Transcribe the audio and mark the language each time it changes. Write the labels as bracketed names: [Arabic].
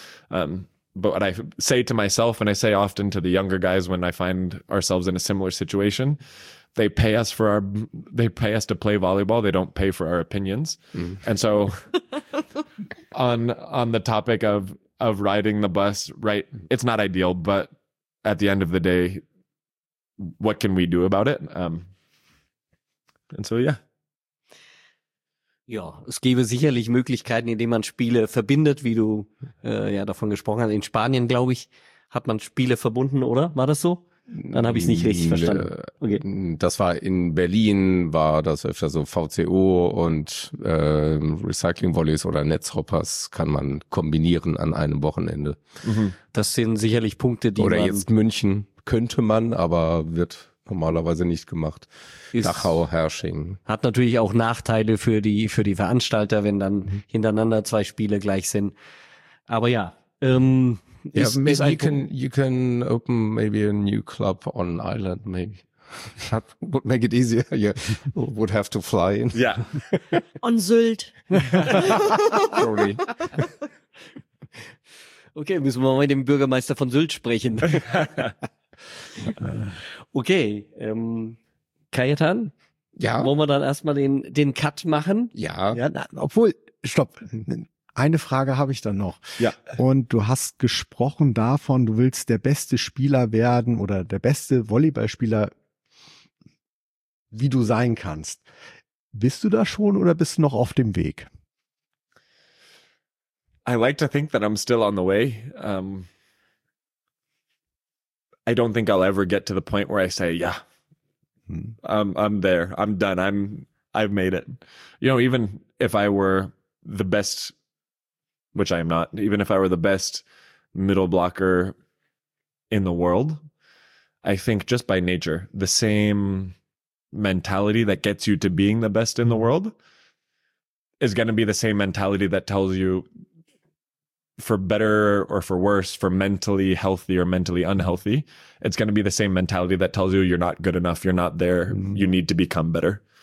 [English] But what I say to myself, and I say often to the younger guys when I find ourselves in a similar situation, they pay us to play volleyball. They don't pay for our opinions. And so on the topic of riding the bus, right, it's not ideal, but at the end of the day, what can we do about it? And so, yeah. [German] Ja, es gäbe sicherlich Möglichkeiten, indem man Spiele verbindet, wie du ja davon gesprochen hast. In Spanien, glaube ich, hat man Spiele verbunden, oder? War das so? Dann habe ich es nicht richtig verstanden. Okay. Das war in Berlin, war das öfter so VCO und Recycling-Volleys oder Netzhoppers kann man kombinieren an einem Wochenende. Das sind sicherlich Punkte, die Oder jetzt München könnte man, aber wird normalerweise nicht gemacht. Dachau, Herrsching. Hat natürlich auch Nachteile für die Veranstalter, wenn dann hintereinander zwei Spiele gleich sind. Aber ja. [English] You can open maybe a new club on island, maybe. That would make it easier. You would have to fly in. Yeah. On Sylt. Sorry. [German] Okay, müssen wir mal mit dem Bürgermeister von Sylt sprechen. Okay, Kajetan, ja? Wollen wir dann erstmal den Cut machen? Ja. Ja, na, obwohl, stopp. eine Frage habe ich dann noch. Ja. Und du hast gesprochen davon, du willst der beste Spieler werden oder der beste Volleyballspieler, wie du sein kannst. Bist du da schon oder bist du noch auf dem Weg? [English] I like to think that I'm still on the way. I don't think I'll ever get to the point where I say, yeah, I'm there. I'm done. I've made it. You know, even if I were the best, which I am not, even if I were the best middle blocker in the world, I think just by nature, the same mentality that gets you to being the best in the world is going to be the same mentality that tells you, for better or for worse, for mentally healthy or mentally unhealthy, it's going to be the same mentality that tells you you're not good enough, you're not there, you need to become better.